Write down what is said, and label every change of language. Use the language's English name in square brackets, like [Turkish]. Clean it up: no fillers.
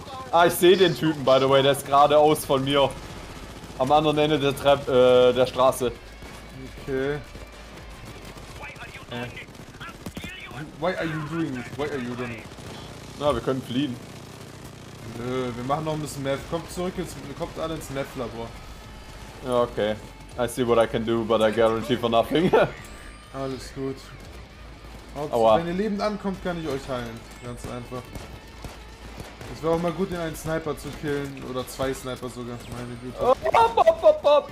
[German] Ah, ich sehe den Typen, [English] by the way. [German] Der ist geradeaus von mir. Am anderen Ende der der Straße. Okay. [English] Why are you doing this? Why are you doing this? [German] Na, wir können fliehen. Nö, wir machen noch ein bisschen Meth. Kommt zurück, kommt alle ins Meth-Labor. [English] Okay. I see what I can do, but I guarantee for nothing. [German] Alles gut. Aua. Wenn ihr lebend ankommt, kann ich euch heilen. Ganz einfach. Es wäre auch mal gut, den einen Sniper zu killen. Oder zwei Sniper sogar, meine Güte.